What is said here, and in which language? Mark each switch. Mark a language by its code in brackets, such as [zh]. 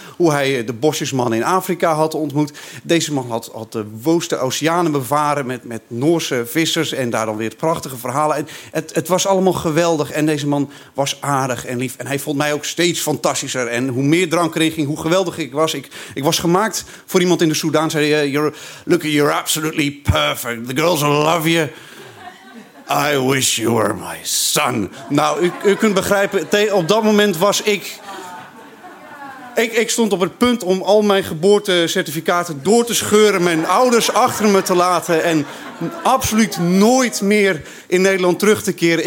[nl] Hoe hij de bosjesmannen in Afrika had ontmoet. Deze man had de woeste oceanen bevaren met Noorse vissers. En daar dan weer het prachtige verhalen. En het was allemaal geweldig. En deze man was aardig en lief. En hij vond mij ook steeds fantastischer. En hoe meer drank erin ging, hoe geweldig ik was. Ik was gemaakt voor iemand in de Soedan. Zei hij, [en] you're absolutely perfect. The girls will love you. I wish you were my son. [nl] Nou, u kunt begrijpen, op dat moment was ik... Ik stond op het punt om al mijn geboortecertificaten door te scheuren. Mijn ouders achter me te laten. En absoluut nooit meer in Nederland terug te keren.